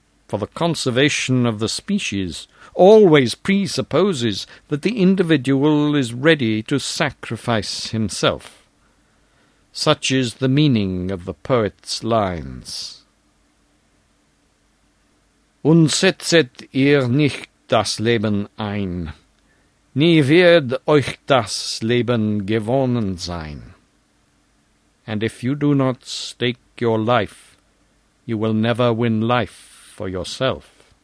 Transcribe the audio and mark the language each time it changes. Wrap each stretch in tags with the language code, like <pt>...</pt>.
<en>for the conservation of the species always presupposes that the individual is ready to sacrifice himself. Such is the meaning of the poet's lines.</en> <de>Und setzet ihr nicht das Leben ein, nie wird euch das Leben gewonnen sein.</de> <en>And if you do not stake your life, you will never win life for yourself.</en>